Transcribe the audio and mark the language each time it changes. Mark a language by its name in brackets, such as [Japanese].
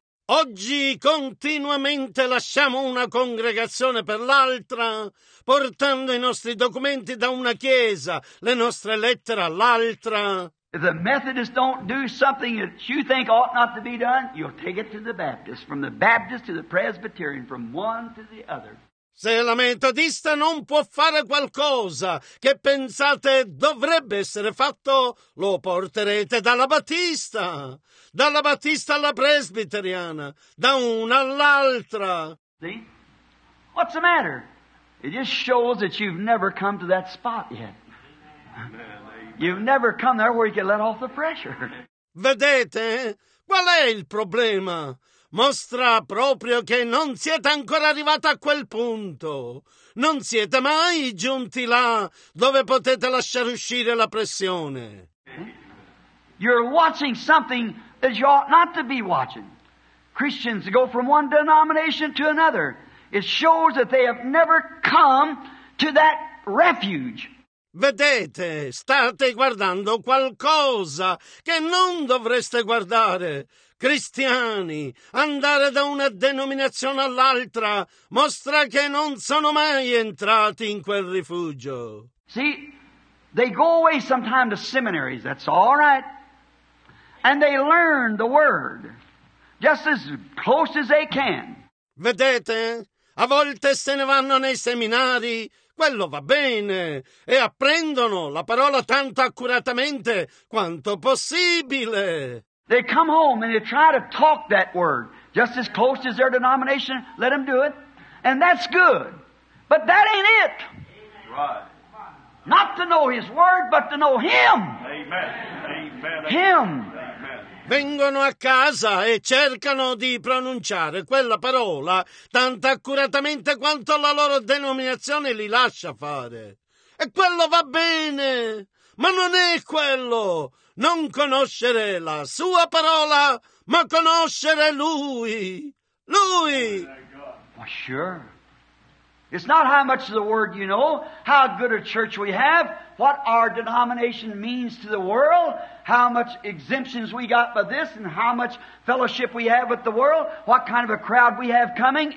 [Italian] Oggi continuamente lasciamo una congregazione per l'altra, portando i nostri documenti da una chiesa, le nostre lettere all'altra. [English] If the Methodists don't do something that you think ought not to be done, you'll take it to the Baptist, from the Baptist to the Presbyterian, from one to the other. [Italian] Se la metodista non può fare qualcosa che pensate dovrebbe essere fatto, lo porterete dalla Battista alla Presbiteriana, da una all'altra. [English] See? What's the matter? It just shows that you've never come to that spot yet. You've never come there where you can let off the pressure. [Italian] Vedete? Qual è il problema? mostra proprio che non siete ancora arrivati a quel punto. Non siete mai giunti là dove potete lasciare uscire la pressione. [English] You're watching something that you ought not to be watching. Christians go from one denomination to another. It shows that they have never come to that refuge. [Italian] Vedete, state guardando qualcosa che non dovreste guardare. Cristiani, andare da una denominazione all'altra mostra che non sono mai entrati in quel rifugio. [English] See, they go away sometime to seminaries, that's all right. And they learn the word just as close as they can. [Italian] Vedete, a volte se ne vanno nei seminari, quello va bene, e apprendono la parola tanto accuratamente quanto possibile. [English] They come home and they try to talk that word just as close as their denomination, let them do it, and that's good. But that ain't it. Right. Not to know his word, but to know him. Amen. Amen. Him. [Italian] Vengono a casa e cercano di pronunciare quella parola tanto accuratamente quanto la loro denominazione li lascia fare. E quello va bene, ma non è quello. Non conoscere la sua parola, ma conoscere lui. Lui! [English] Well, sure. It's not how much of the word you know, how good a church we have, what our denomination means to the world, how much exemptions we got by this, and how much fellowship we have with the world, what kind of a crowd we have coming.